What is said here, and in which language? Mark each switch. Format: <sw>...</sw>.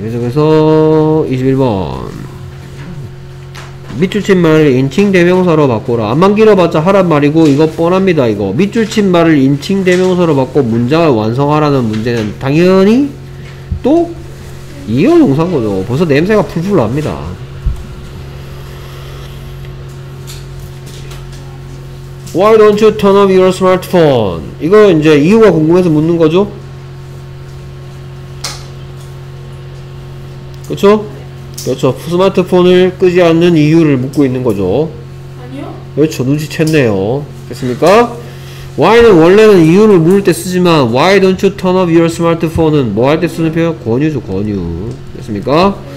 <ko>그래서 21번 밑줄 친 말을 인칭 대명사로 바꾸라. 안만 길어봤자 하란 말이고 이거 뻔합니다. 이거 밑줄 친 말을 인칭 대명사로 바꿔 문장을 완성하라는 문제는 당연히 또 이어 동사거죠. 벌써 냄새가 풀풀 납니다.</ko> <en>'Why don't you turn off your smartphone?'</en> <ko>이거 이제 이유가 궁금해서 묻는 거죠. 그렇죠? 그렇죠. 스마트폰을 끄지 않는 이유를 묻고 있는 거죠. 아니요. 그렇죠. 눈치챘네요. 됐습니까? Why는 원래는 이유를 물을 때 쓰지만</ko> <en>Why don't you turn off your smartphone</en> <ko>은 뭐 할 때 쓰는 표현? 권유죠. 권유. 됐습니까?</ko>